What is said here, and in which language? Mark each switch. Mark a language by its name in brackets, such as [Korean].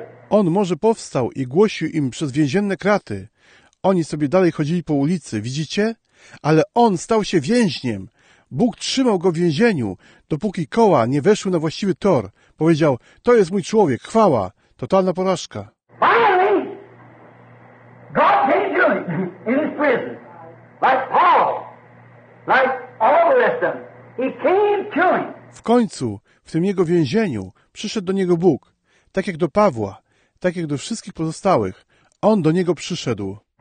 [Polish] On może powstał i głosił im przez więzienne kraty. Oni sobie dalej chodzili po ulicy, widzicie? Ale on stał się więźniem. Bóg trzymał go w więzieniu, dopóki koła nie weszły na właściwy tor. Powiedział, to jest mój człowiek, chwała. Totalna porażka. [English] Finally, God can't do it in his prison. Like Paul, like all the rest of them. He came to him. [Polish] W końcu, w tym jego więzieniu, przyszedł do niego Bóg, tak jak do Pawła, tak jak do wszystkich pozostałych. On do niego przyszedł.